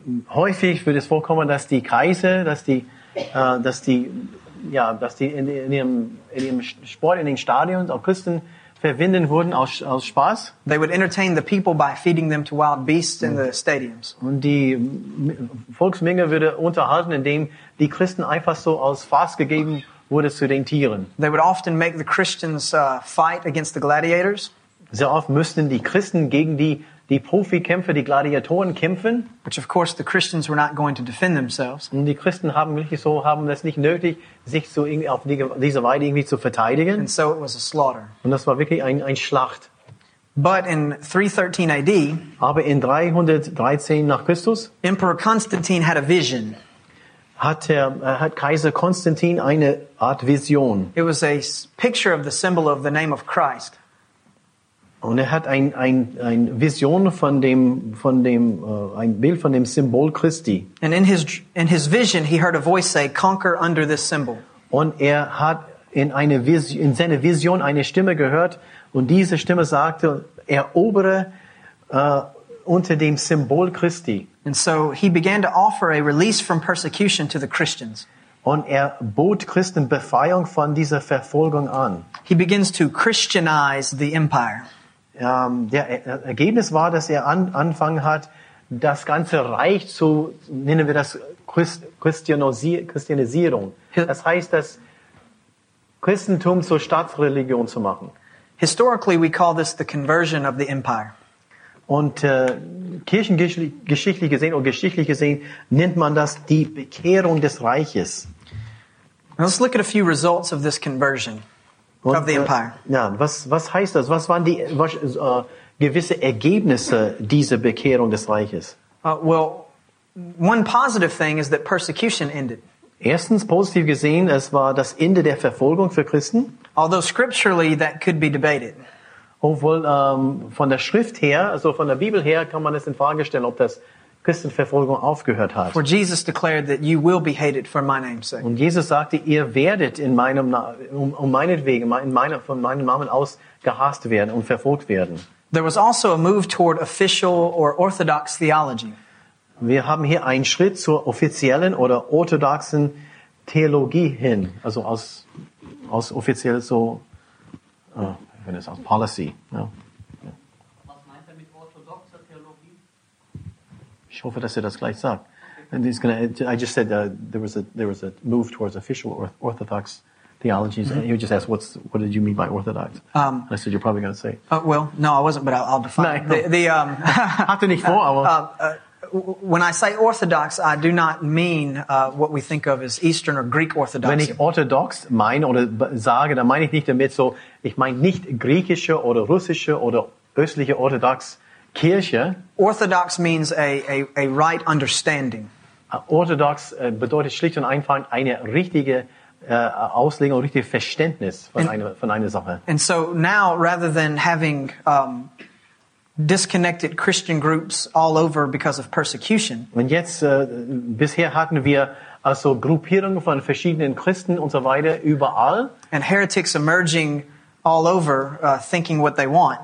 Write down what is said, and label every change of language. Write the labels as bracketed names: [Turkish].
[German] Häufig würde es vorkommen, dass die Kaiser, dass die in ihrem Sport, in den Stadien auch Christen verwenden wurden aus Spaß. [English] They would entertain the people by feeding them to wild beasts in the stadiums. [German] Und die Volksmenge würde unterhalten, indem die Christen einfach so aus Spaß gegeben wurde zu den Tieren. [English] They would often make the Christians fight against the gladiators. [German] Sehr oft müssten die Christen gegen die Profikämpfer, die Gladiatoren kämpfen. [English] Which of course the Christians were not going to defend themselves. [German] Und die Christen haben es nicht nötig, sich so irgendwie auf diese Weide irgendwie zu verteidigen. [English] And so it was a slaughter. [German] Und das war wirklich ein Schlacht. [English] But in 313 AD, [German] aber in 313 nach Christus, [English] Emperor Constantine had a vision. [German] Hat Kaiser Konstantin eine Art Vision. [English] It was a picture of the symbol of the name of Christ. [German] Und er hat ein Vision ein Bild von dem Symbol Christi. [English] And in his vision he heard a voice say, conquer under this symbol. [German] Und er hat in seiner Vision eine Stimme gehört und diese Stimme sagte, erobere unter dem Symbol Christi. [English] And so he began to offer a release from persecution to the Christians. [German] Und er bot Christen Befreiung von dieser Verfolgung an. [English] He begins to Christianize the empire. [German] Der Ergebnis war, dass er angefangen hat, das ganze Reich zu, nennen wir das Christianisierung. Das heißt, das Christentum zur Staatsreligion zu machen. [English] Historically, we call this the conversion of the empire. [German] Und geschichtlich gesehen nennt man das die Bekehrung des Reiches. [English] Now let's look at a few results of this conversion. [German] Und, [English] of the empire. [German] Ja, was heißt das? Was waren gewisse Ergebnisse dieser Bekehrung des Reiches? [English] Well, one positive thing is that persecution ended. [German] Erstens, positiv gesehen, es war das Ende der Verfolgung für Christen. [English] Although scripturally that could be debated. [German] Obwohl von der Schrift her, also von der Bibel her, kann man es in Frage stellen, ob das Christenverfolgung aufgehört hat. [English] For Jesus declared that you will be hated for my name's sake. [German] Und Jesus sagte, ihr werdet in meinem von meinem Namen aus gehasst werden und verfolgt werden. [English] There was also a move toward official or orthodox theology. [German] Wir haben hier einen Schritt zur offiziellen oder orthodoxen Theologie hin, also aus offiziell so wenn es aus Policy, ja. Ich hoffe, dass er das gleich sagt. Okay. [English] And he's going to. I just said there was a move towards official orthodox theologies. Mm-hmm. And he would just ask, "What did you mean by orthodox?" And I said, "You're probably going to say." Well, no, I wasn't, but I'll define. No. After [German] nicht vor, aber. [English] When I say orthodox, I do not mean what we think of as Eastern or Greek orthodox. [German] Wenn ich orthodox meine oder sage, dann meine ich nicht damit so. Ich meine nicht griechische oder russische oder östliche orthodox Kirche. [English] Orthodox means a right understanding. [German] Orthodox bedeutet schlicht und einfach eine richtige Auslegung, ein richtiges Verständnis von einer Sache. [English] And so now, rather than having disconnected Christian groups all over because of persecution. [German] Und jetzt bisher hatten wir also Gruppierungen von verschiedenen Christen und so weiter überall. [English] And heretics emerging all over, thinking what they want.